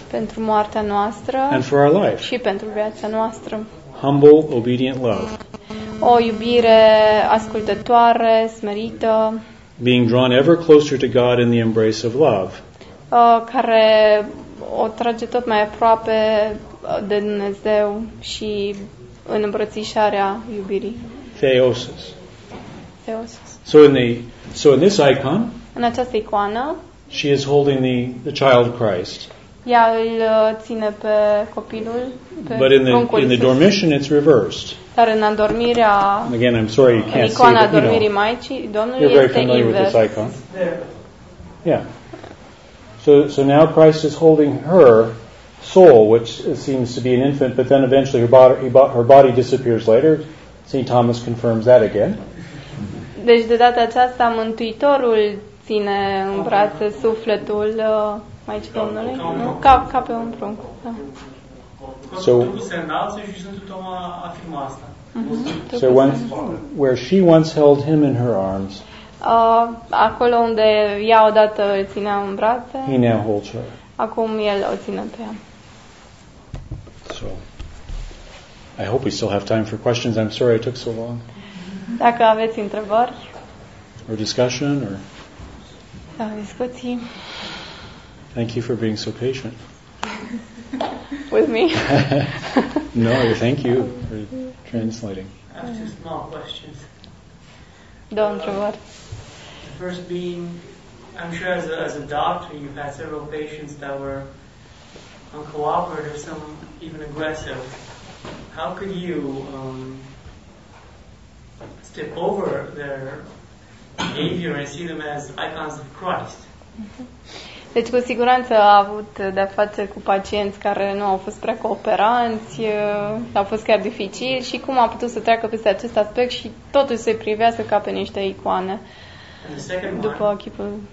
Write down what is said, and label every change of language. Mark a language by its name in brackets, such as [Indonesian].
[Romanian] pentru moartea noastră [English] and for our life. [Romanian] Și pentru viața noastră. [English] Humble, obedient love. [Romanian] O iubire ascultătoare, smerită. [English] Being drawn ever closer to God in the embrace of love. [Romanian] Care o trage tot mai aproape de Dumnezeu și în îmbrățișarea iubirii. [English] Theosis. [Romanian] Theosis. [English] So in this icon, [Romanian] în această icoană, [English] she is holding the child Christ. [Romanian] Ea îl ține pe copilul, pe [English] but in the dormition it's reversed. [Romanian] Dar în adormirea, [English] and again, I'm sorry you can't [Romanian] icoana [English] see, [Romanian] adormirii [English] you know, [Romanian] Maicii Domnului, [English] you're very [Romanian] este [English] familiar [Romanian] invers [English] with this icon. Yeah. So now Christ is holding her soul, which seems to be an infant, but then eventually her body disappears later. St. Thomas confirms that again. [Romanian] Deci de data aceasta Mântuitorul ține în brațe sufletul Maicii Domnului, ca pe un prunc. Da. So se înalță și Sfântul Toma afirmă asta. [English] So once where she once held him in her arms. [Romanian] Acolo unde ea odată îl ținea în brațe. [English] He now holds her. [Romanian] Acum el o ține pe ea. [English] So I hope we still have time for questions. I'm sorry I took so long. [Romanian] Dacă aveți întrebări. [English] Or discussion or [Romanian] sau discuții. [English] Thank you for being so patient. With me? No, thank you for translating. I have two small questions. [Romanian] Două întrebări. [English] The first being, I'm sure as a doctor, you've had several patients that were uncooperative, some even aggressive. How could you step over their behavior and see them as icons of Christ? [Romanian] Deci, cu siguranță a avut de-a față cu pacienți care nu au fost prea cooperanți, au fost chiar dificili și cum a putut să treacă peste acest aspect și totuși să-i privească ca pe niște icoane după chipul.